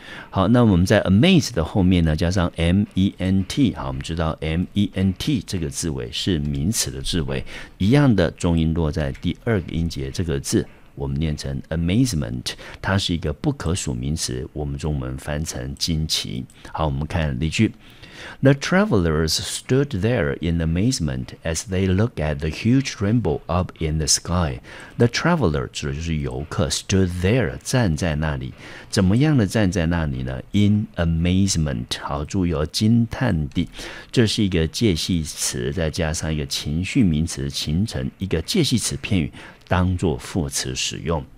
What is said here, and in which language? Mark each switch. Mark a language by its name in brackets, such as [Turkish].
[Chinese] 好，那我们在 amaze 的后面呢加上 ment。好，我们知道 ment 这个字尾是名词的字尾，一样的重音落在第二个音节，这个字我们念成 amazement， 它是一个不可数名词，我们中文翻成惊奇。好，我们看例句。 [English] The travelers stood there in amazement as they looked at the huge rainbow up in the sky. [Chinese] The traveler 指的就是游客， [English] stood there [Chinese] 站在那里，怎么样的站在那里呢？ [English] In amazement， [Chinese] 好，注意哦，惊叹地，这是一个介系词，再加上一个情绪名词，形成一个介系词片语，当作副词使用。